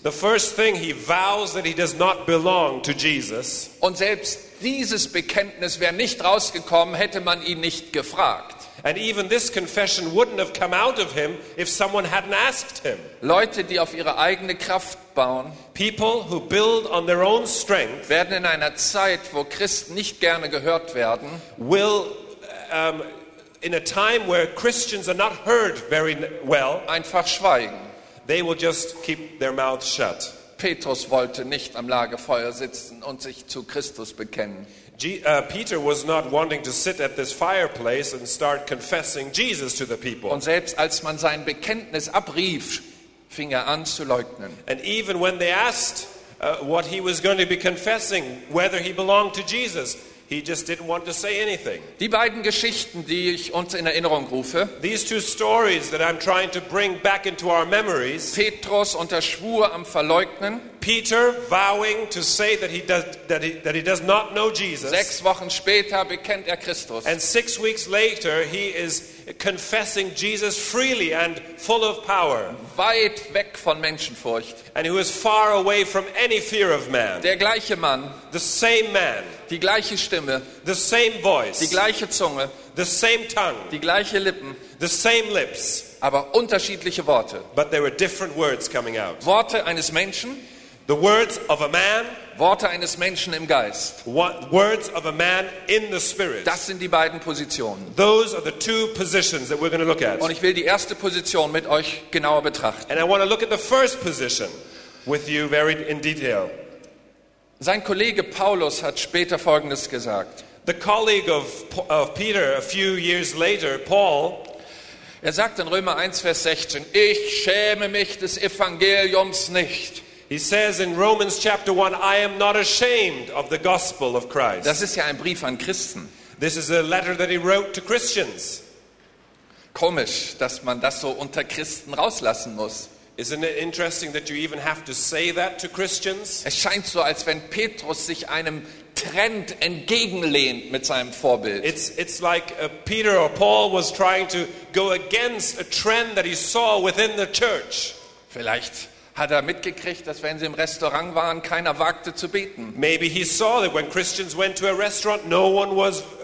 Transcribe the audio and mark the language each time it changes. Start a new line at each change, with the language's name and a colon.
English: The first thing he vows that he does not belong to Jesus.
German: Und selbst dieses Bekenntnis wäre nicht rausgekommen, hätte man ihn nicht gefragt.
English: And even this confession wouldn't have come out of him if someone hadn't asked him.
German: Leute, die auf ihre eigene Kraft bauen,
English: people who build on their own strength,
German: werden in einer Zeit, wo Christen nicht gerne gehört werden,
English: will in a time where Christians are not heard very well,
German: einfach schweigen.
English: They will just keep their mouths shut.
German: Petrus wollte nicht am Lagerfeuer sitzen und sich zu Christus bekennen.
English: Peter was not wanting to sit at this fireplace and start confessing Jesus to the people.
German: Und selbst als man sein Bekenntnis abrief, fing er an zu leugnen.
English: And even when they asked what he was going to be confessing, whether he belonged to Jesus, he just didn't want to say anything.
German: Die beiden Geschichten, die ich uns in Erinnerung rufe.
English: These two stories that I'm trying to bring back into our memories.
German: Petrus unter Schwur am Verleugnen.
English: Peter vowing to say that he does not know Jesus.
German: 6 Wochen später bekennt er Christus.
English: And 6 weeks later he is confessing Jesus freely and full of power.
German: Weit weg von Menschenfurcht.
English: And he was far away from any fear of man.
German: Der gleiche Mann.
English: The same man.
German: Die gleiche Stimme.
English: The same voice.
German: Die gleiche Zunge.
English: The same tongue.
German: Die gleiche Lippen.
English: The same lips.
German: Aber unterschiedliche Worte.
English: But there were different words coming out.
German: Worte eines Menschen.
English: The words of a man,
German: Worte eines Menschen im Geist.
English: Words of a man in the spirit.
German: Das sind die beiden Positionen.
English: Those are the two positions that we're going to look at.
German: Und ich will die erste Position mit euch genauer betrachten.
English: And I want to look at the first position with you very in detail.
German: Sein Kollege Paulus hat später Folgendes gesagt.
English: The colleague of Peter a few years later, Paul.
German: Er sagt in Römer 1 Vers 16, ich schäme mich des Evangeliums nicht.
English: He says in Romans chapter 1, I am not ashamed of the gospel of Christ.
German: Das ist ja ein Brief an Christen.
English: This is a letter that he wrote to Christians.
German: Komisch, dass man das so unter Christen rauslassen muss.
English: Isn't it interesting that you even have to say that to Christians?
German: Es scheint so, als wenn Petrus sich einem Trend entgegenlehnt mit seinem Vorbild.
English: It's like Peter or Paul was trying to go against a trend that he saw within the church.
German: Vielleicht hat er mitgekriegt, dass wenn sie im Restaurant waren, keiner wagte zu beten.
English: Maybe he saw that when Christians went to a restaurant, no one was